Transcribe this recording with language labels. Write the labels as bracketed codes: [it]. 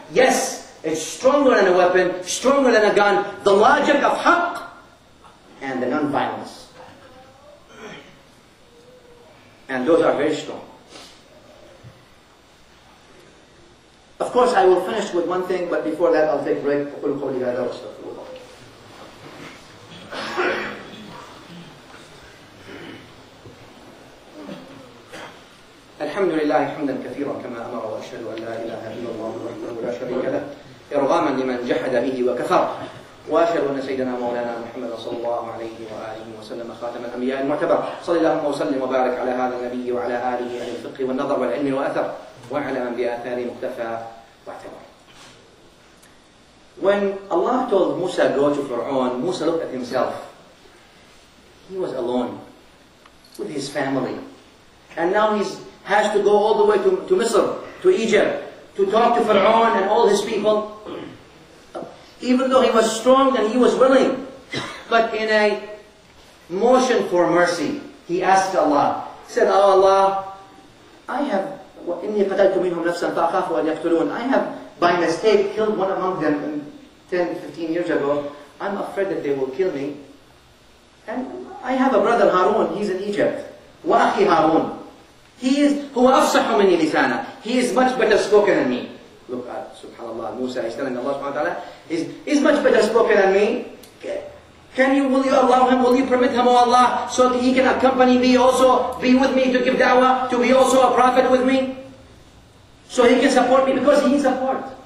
[en] Yes, it's stronger than a weapon, stronger than a gun. The logic of Haqq and the non-violence. And those are very strong. Of course, I will finish with one thing, but before that, I'll take a break. [ar] أقول قولي هذا وأستغفر الله. الحمد لله حمدا كثيرا كما أمر وأشهد أن لا إله إلا الله وحده لا شريك له إرغاما لمن جحد به وكفر وأشهد أن سيدنا مولانا محمد صلى الله عليه وآله وسلم خاتم الأنبياء المعتبر صلى الله وسلم وبارك على هذا النبي وعلى آله أهل الفقه والنظر والعلم وأثر وعلى من بآثاره مكتفى واعتبر. [en] When Allah told Musa go to Fir'aun, Musa looked at himself. He was alone with his family. And now he has to go all the way to Misr, to Egypt, to talk to Fir'aun and all his people. Even though he was strong and he was willing, but in a motion for mercy, he asked Allah. [ar] He said, "Oh Allah, I have إني قتلت منهم نفسا فأخاف أن يقتلون." [en] I have by mistake killed one among them 10-15 years ago. I'm afraid that they will kill me. And I have a brother Harun. He's in Egypt. وأخي هارون. [ar] He is هو أفصح مني لسانا. [en] He is much better spoken than me. Look at Subhanallah. Musa is telling Allah Subhanahu wa Taala, he's much better spoken than me. Can you will you allow him? Will you permit him, oh Allah, so that he can accompany me also, be with me to give da'wah, to be also a prophet with me, so he can support me because he needs support.